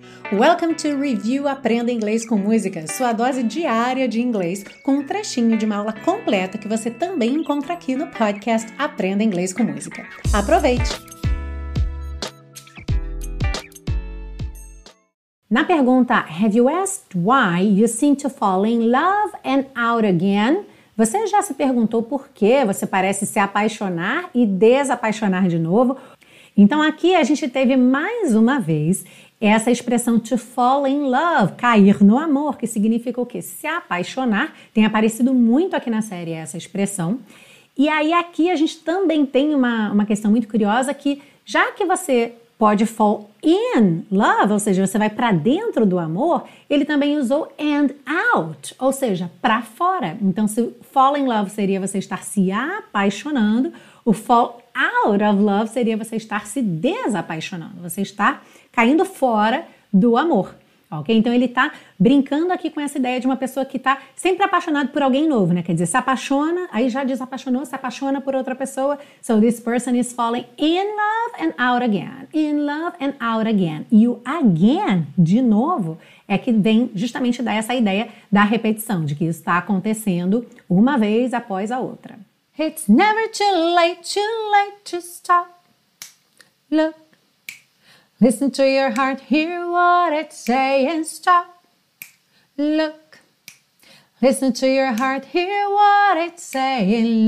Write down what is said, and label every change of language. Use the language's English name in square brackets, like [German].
[English] Welcome to Review [Portuguese] Aprenda Inglês com Música, sua dose diária de inglês, com um trechinho de uma aula completa que você também encontra aqui no podcast Aprenda Inglês com Música. Aproveite! Na pergunta, [English] have you asked why you seem to fall in love and out again? [Portuguese] Você já se perguntou por que você parece se apaixonar e desapaixonar de novo? Então aqui a gente teve mais uma vez essa expressão [English] to fall in love, [Portuguese] cair no amor, que significa o quê? Se apaixonar. Tem aparecido muito aqui na série essa expressão. E aí aqui a gente também tem uma questão muito curiosa que, já que você pode [English] fall in love, [Portuguese] ou seja, você vai para dentro do amor, ele também usou [English] and out, [Portuguese] ou seja, para fora. Então, se [English] fall in love [Portuguese] seria você estar se apaixonando, o [English] fall out of love [Portuguese] seria você estar se desapaixonando, você está caindo fora do amor, ok? Então, ele está brincando aqui com essa ideia de uma pessoa que está sempre apaixonada por alguém novo, né? Quer dizer, se apaixona, aí já desapaixonou, se apaixona por outra pessoa. [English] So, this person is falling in love and out again, in love and out again. [Portuguese] E o again, de novo, é que vem justamente dar essa ideia da repetição, de que isso está acontecendo uma vez após a outra. [English] It's never too late to stop. Look, listen to your heart, hear what it's saying. Stop, look, listen to your heart, hear what it's saying.